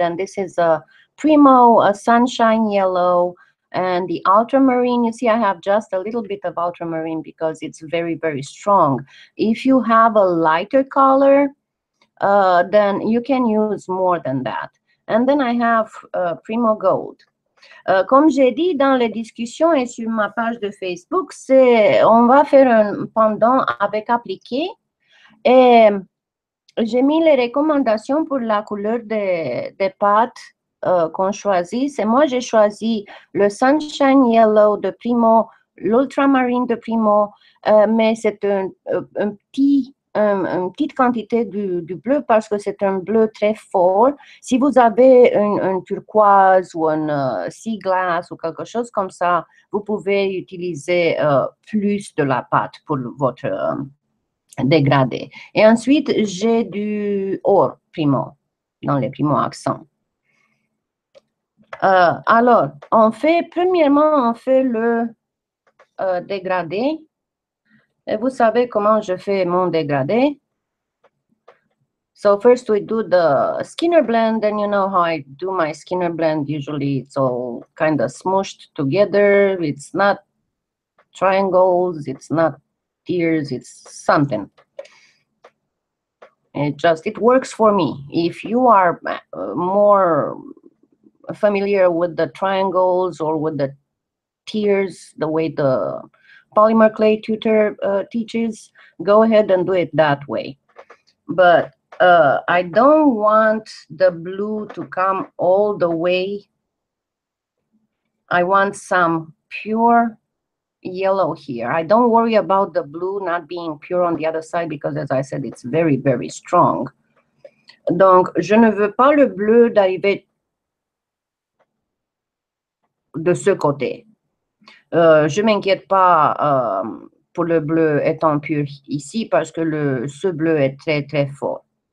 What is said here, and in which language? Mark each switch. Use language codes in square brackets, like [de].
[en] And this is a Primo, a Sunshine Yellow, and the Ultramarine. You see, I have just a little bit of Ultramarine because it's very, very strong. If you have a lighter color, then you can use more than that. And then I have Primo Gold. [fr] Comme j'ai dit dans les discussions et sur ma page de Facebook, on va faire un pendant avec appliqué. Et j'ai mis les recommandations pour la couleur des pâtes qu'on choisit. Et moi, j'ai choisi le Sunshine Yellow de Primo, l'Ultramarine de Primo, mais c'est une petite quantité du bleu parce que c'est un bleu très fort. Si vous avez un turquoise ou un sea glass ou quelque chose comme ça, vous pouvez utiliser plus de la pâte pour votre dégradé. Et ensuite, j'ai du or primo dans les primo accents. Alors, on fait premièrement, on fait le dégradé. Et vous savez comment je fais mon dégradé. [en] So first we do the Skinner blend, and you know how I do my Skinner blend. Usually it's all kind of smooshed together. It's not triangles, it's not tears, it's something. It works for me. If you are more familiar with the triangles or with the tears, the way the polymer clay tutor teaches, go ahead and do it that way. But I don't want the blue to come all the way. I want some pure yellow here. I don't worry about the blue not being pure on the other side because, as I said, it's very, very strong. [fr] Donc, je ne veux pas le bleu d'arriver de ce côté. Je ne m'inquiète pas pour le bleu étant pur ici parce que ce bleu est très, très fort.